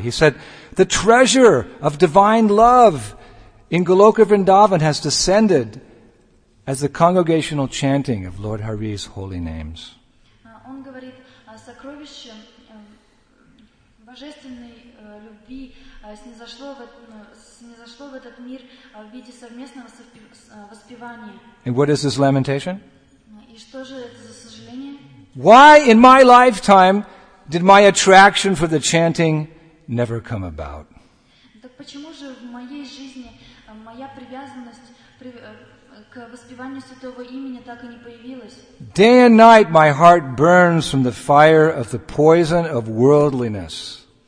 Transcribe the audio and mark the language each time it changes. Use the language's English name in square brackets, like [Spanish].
[English] He said, the treasure of divine love in Goloka Vrindavan has descended as the congregational chanting of Lord Hari's holy names. [Russian] Он говорит, сокровище божественной любви снизошло в этот мир в виде совместного воспевания. [English] And what is this lamentation? [Russian] И что же это за сожаление? [English] Why in my lifetime did my attraction for the chanting never come about? [Russian] Так почему же в моей жизни моя привязанность к воспеванию святого имени так и не появилась? [English] Day and night my heart burns from the fire of the poison of worldliness.